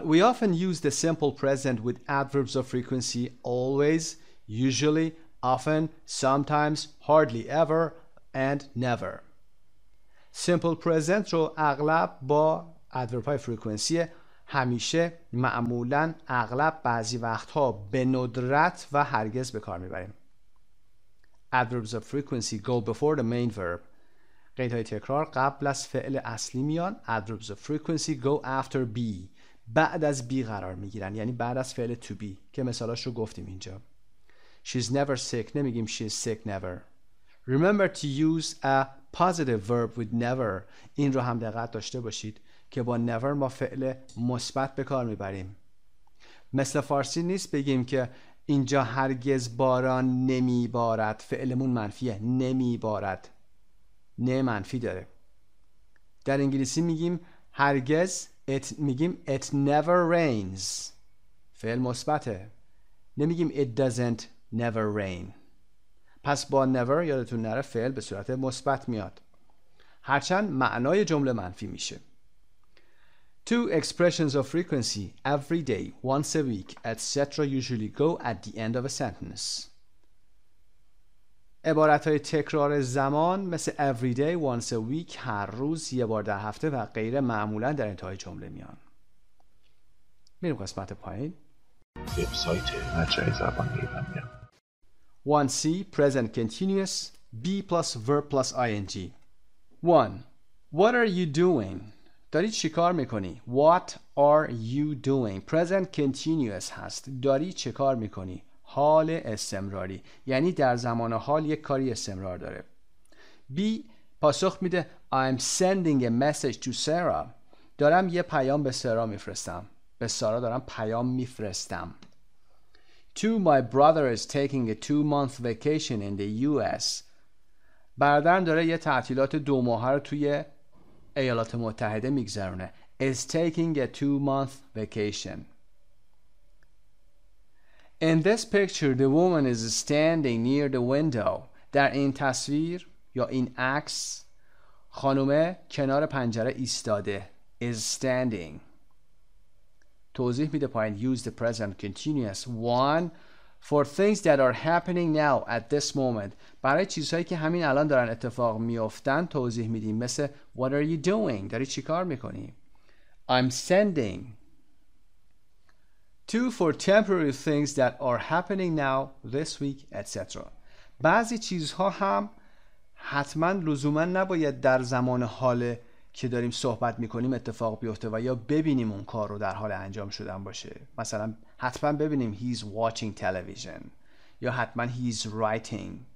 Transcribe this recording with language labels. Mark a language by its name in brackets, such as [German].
[English] We often use the simple present with adverbs of frequency. Always, usually, often, sometimes, hardly ever, and never. [Persian] Simple present رو اغلب با adverb های frequency همیشه معمولا اغلب بعضی وقتها به ندرت و هرگز به کار میبریم. [English] Adverbs of frequency go before the main verb. [Persian] قید های تکرار قبل از فعل اصلی میان. [English] Adverbs of frequency go after be. [Persian] بعد از be قرار میگیرن. یعنی بعد از فعل to be که مثالاش رو گفتیم اینجا. [English] She's never sick. [Persian] نمیگیم [English] she's sick never. Remember to use a positive verb with never. [Persian] این رو هم دقت داشته باشید که با never ما فعل مثبت به کار میبریم. مثل فارسی نیست بگیم که اینجا هرگز باران نمیبارد. فعلمون منفیه. نمیبارد. نه منفی داره. در انگلیسی میگیم هرگز. میگیم [English] it never rains. [Persian] فعل مثبته. نمیگیم [English] it doesn't never rain. [Persian] پس با never یادتون نره فعل به صورت مثبت میاد. هرچند معنای جمله منفی میشه. [English] Two expressions of frequency, every day, once a week, etc. usually go at the end of a sentence. [Persian] عبارت های تکرار زمان مثل [English] every day, once a week, [Persian] هر روز یه بار در هفته و غیره معمولا در انتهای جمله میان. میریم قسمت پایین. وبسایت مجله زبان ایرانی. [English] 1C present continuous B plus verb plus ing. 1. What are you doing? [Persian] داری چی کار میکنی؟ [English] What are you doing? Present continuous هست. [Persian] داری چی کار میکنی؟ حال استمراری. یعنی در زمان حال یک کاری استمرار داره. [English] B [Persian] پاسخ میده [English] I'm sending a message to Sarah. [Persian] دارم یه پیام به سارا میفرستم. به سارا دارم پیام میفرستم. 2. [English] My brother is taking a 2-month vacation in the US. [Persian] برادرم داره یه تعطیلات 2 ماهه رو توی ایالات متحده میگذرونه. [English] Is taking a 2-month vacation. In this picture, the woman is standing near the window. [Persian] در این تصویر یا این عکس خانومه کنار پنجره ایستاده. [English] Is standing. [Persian] توضیح میده پایین. [English] Use the present continuous. One, for things that are happening now at this moment. [Persian] برای چیزهایی که همین الان دارن اتفاق میافتن توضیح میدیم. [English] مثل what are you doing؟ [Persian] داری چی کار میکنی؟ [English] I'm sending. Two, for temporary things that are happening now, this week, etc. [Persian] بعضی چیزها هم حتما لزوما نباید در زمان حال که داریم صحبت میکنیم اتفاق بیفته و یا ببینیم اون کار رو در حال انجام شدن باشه. مثلا حتما ببینیم [English] he's watching television [Persian] یا حتما [English] he's writing.